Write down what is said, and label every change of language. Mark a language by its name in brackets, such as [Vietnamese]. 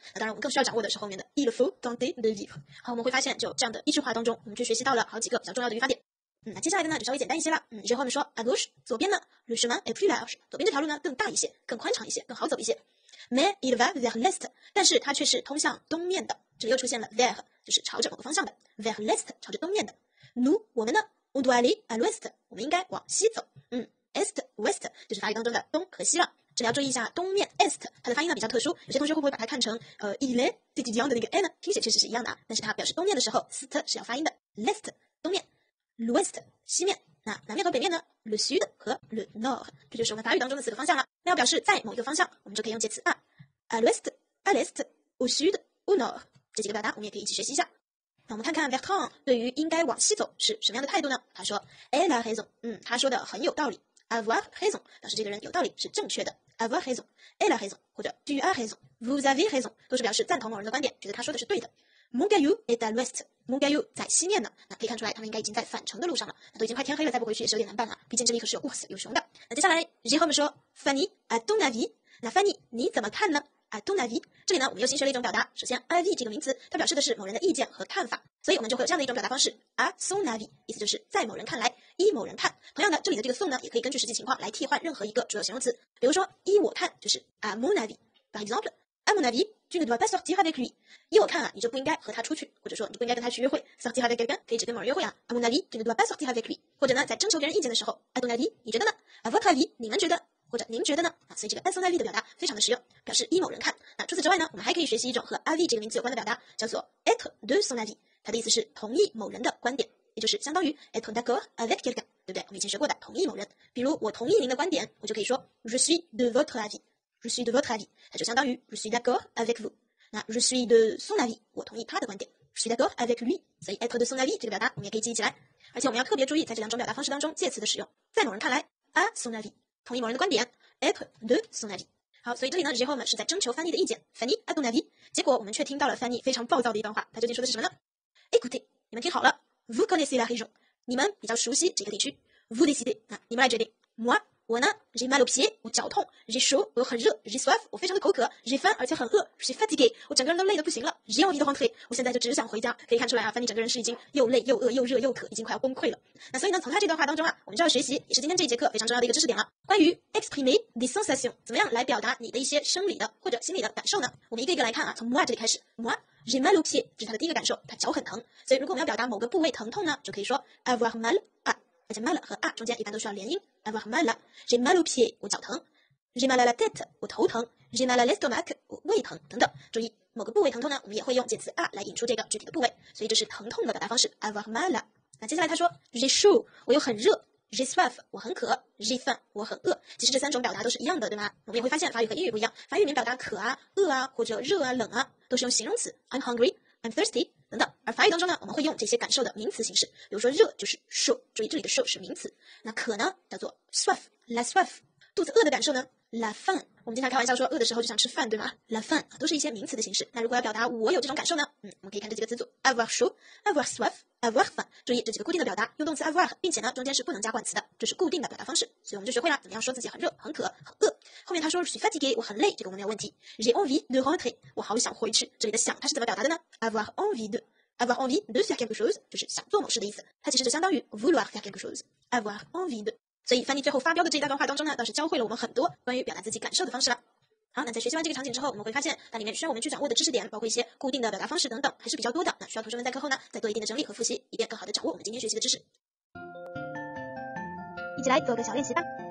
[Chinese] 那当然我们更需要掌握的是后面的 [French] il faut tenter de vivre。 [Chinese] 好，我们会发现就这样的一句话当中我们就学习到了好几个比较重要的语法点。那接下来的呢就稍微简单一些了。一句话我们说 [French] à gauche， [Chinese] 左边呢 [French] le chemin est plus large， [Chinese] 左边这条路呢更大一些，更宽敞一些，更好走一些。 [French] mais il va vers l'est， [Chinese] 但是它却是通向东面的，这里又出现了 vers， 就是朝着某个方向的， [French] vers l'est [Chinese] 朝着东面的。 [French] nous [Chinese] 我们呢 [French] on doit aller à l'ouest， [Chinese] 我们应该往西走。 est west 就是法语当中的东和西了，这里要注意一下东面 est 它的发音呢比较特殊，有些同学会不会把它看成 [French] il est étudiant [Chinese] 的那个 n， 听写确实是一样的啊，但是它表示东面的时候 st 是要发音的， l'est 东面，l'ouest 西面，那南面和北面呢 [French] le sud [Chinese] 和 [French] le nord， [Chinese] 这就是我们法语当中的四个方向了。那要表示在某一个方向我们就可以用介词 [French] à l'ouest à l'est au sud au nord， [Chinese] 这几个表达我们也可以一起学习一下。那我们看看 Bertrand 对于应该往西走是什么样的态度呢？他说 [French] elle a raison， [Chinese] 他说的很有道理， [French] avoir raison [Chinese] 表示这个人有道理是正确的， avoir raison， elle a raison 或者 [French] tu as raison， vous avez raison [Chinese] 都是表示赞同某人的观点，觉得他说的是对的。 [French] Mon gaillou est à l'ouest， [Chinese] Mon gaillou 在西面呢，那可以看出来他们应该已经在返程的路上了，那都已经快天黑了再不回去也是有点难办了，毕竟这里可是有 ours 有熊的。那接下来 Jérôme 说 Fanny [French] à ton avis， [Chinese] 那 Fanny 你怎么看呢？ [French] à ton avis [Chinese] 这里呢我们又新学了一种表达，首先 avis 这个名词它表示的是某人的意见和看法，所以我们就会有这样的一种表达方式 [French] à son avis， [Chinese] 意思就是在某人看来，依某人看。同样同样的，这里的这个 so 呢，也可以根据实际情况来替换任何一个主要形容词。比如说，依我看，就是 [French] à mon avis。 Par exemple, à mon avis, tu ne dois pas sortir avec lui。 [Chinese] 依我看啊，你就不应该和他出去，或者说你不应该跟他去约会。 [French] Sortir avec quelqu'un [Chinese] 可以指跟某人约会啊。 [French] À mon avis, tu ne dois pas sortir avec lui。 [Chinese] 或者呢，在征求别人意见的时候 ， [French] à ton avis, [Chinese] 你觉得呢 ？ [French] À votre avis, [Chinese] 你们觉得？或者您觉得呢？啊，所以这个 [French] à son avis [Chinese] 的表达非常的实用，表示依某人看。那除此之外呢，我们还可以学习一种和 avis 这个名词有关的表达，叫做 [French] être de son avis。 [Chinese] 它的意思是同意某人的观点，也就是相当于 [French] être d'accord avec quelqu'un。 [Chinese] 对不对？我们以前学过的同意某人，比如我同意您的观点，我就可以说 [French] je suis de votre avis， [Chinese] je suis de votre avis， 它就相当于 [French] je suis d'accord avec vous。 [Chinese] 那 [French] je suis de son avis， [Chinese] 我同意他的观点， [French] je suis d'accord avec lui， [Chinese] 所以 [French] être de son avis [Chinese] 这个表达我们也可以记忆起来。而且我们要特别注意在这两种表达方式当中介词的使用，在某人看来 [French] à son avis， [Chinese] 同意某人的观点， [French] être de son avis。 [Chinese] 好，所以这里呢，最后我们是在征求翻译的意见， Fanny [French] à ton avis， [Chinese] 结果我们却听到了翻译非常暴躁的一段话，他究竟说的是什么呢？ [French] Écoutez， [Chinese] 你们听好了， [French] vous connaissez la région。 [Chinese] 你们比较熟悉这个地区 ， [French] vous décidez [Chinese] 啊，你们来决定。moi 我呢 ， [French] j'ai mal au pied [Chinese] 我脚痛 ， [French] j'ai chaud [Chinese] 我很热 ， [French] j'ai soif [Chinese] 我非常的口渴 ， [French] j'ai faim [Chinese] 而且很饿 ， [French] j'ai fatigué [Chinese] 我整个人都累得不行了 ， [French] j'ai envie de rentrer [Chinese] 我现在就只想回家。可以看出来啊，凡妮整个人是已经又累又饿又热又渴，已经快要崩溃了。那所以呢，从他这段话当中啊，我们就要学习，也是今天这一节课非常重要的一个知识点了，关于 [French] exprimer des sensations [Chinese] 怎么样来表达你的一些生理的或者心理的感受呢？我们一个一个来看啊，从 moi 这里开始 ，moi。 [French] J'ai mal au pied， [Chinese] 这是他的第一个感受，他脚很疼。所以如果我们要表达某个部位疼痛呢，就可以说 [French] avoir mal à， [Chinese] 而且 mal 和 à 中间一般都需要连音。 [French] avoir mal à， j'ai mal au pied， [Chinese] 我脚疼。 [French] j'ai mal à la tête， [Chinese] 我头疼。 [French] j'ai mal à l'estomac， [Chinese] 我胃疼等等。注意某个部位疼痛呢，我们也会用介词 à 来引出这个具体的部位，所以这是疼痛的表达方式 [French] avoir mal à。 [Chinese] 那接下来他说 [French] j'ai chaud， [Chinese] 我又很热。 [French] j'ai soif， [Chinese] 我很渴。 [French] j'ai faim， [Chinese] 我很饿。其实这三种表达都是一样的，对吗？我们也会发现法语和英语不一样，法语里面表达渴啊、饿啊或者热啊、冷啊。都是用形容词 ， [English] I'm hungry, I'm thirsty [Chinese] 等等。而法语当中呢，我们会用这些感受的名词形式，比如说热就是 chaud， 注意这里的 chaud 是名词。那渴呢，叫做 soif, [French] la soif， [Chinese] 肚子饿的感受呢 ，la faim。我们经常开玩笑说饿的时候就想吃饭，对吗 ？ [French] la faim [Chinese] 都是一些名词的形式。那如果要表达我有这种感受呢，我们可以看这几个词组 ： [French] avoir chaud, avoir soif, avoir faim。 [Chinese] 注意这几个固定的表达，用动词 avoir， 并且呢中间是不能加冠词的，这是固定的表达方式。所以我们就学会了怎么样说自己很热、很渴、很饿。后面他说 [French] je suis fatigué， [Chinese] 我很累，这个我们没有问题。 [French] j'ai envie de rentrer， [Chinese] 我好想回去。这里的想它是怎么表达的呢 ？ [French] avoir envie de， avoir envie de faire quelque chose， [Chinese] 就是想做某事的意思。它其实就相当于 [French] vouloir faire quelque chose， avoir envie de。 [Chinese] 所以翻译最后发飙的这一大段话当中呢，倒是教会了我们很多关于表达自己感受的方式了。好，那在学习完这个场景之后，我们会发现它里面需要我们去掌握的知识点，包括一些固定的表达方式等等，还是比较多的。那需要同学们在课后呢，再做一定的整理和复习，以便更好的掌握我们今天学习的知识。一起来做个小练习吧。